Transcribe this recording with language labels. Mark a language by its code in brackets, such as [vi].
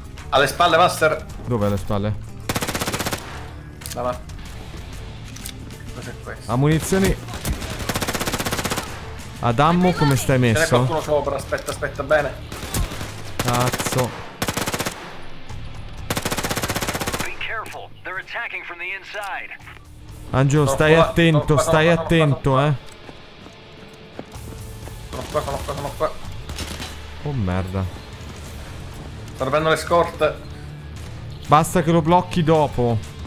[it] Alle spalle, master. Dov'è alle spalle? Là. Cos'è questo? A munizioni. Ad ammo come stai messo? C'è qualcuno sopra, aspetta bene. Cazzo. [en] Be careful, they're attacking from the inside. [it] Angelo, stai attento, stai attento, Sono qua. Oh merda. Sto prendendo le scorte. Basta che lo blocchi dopo.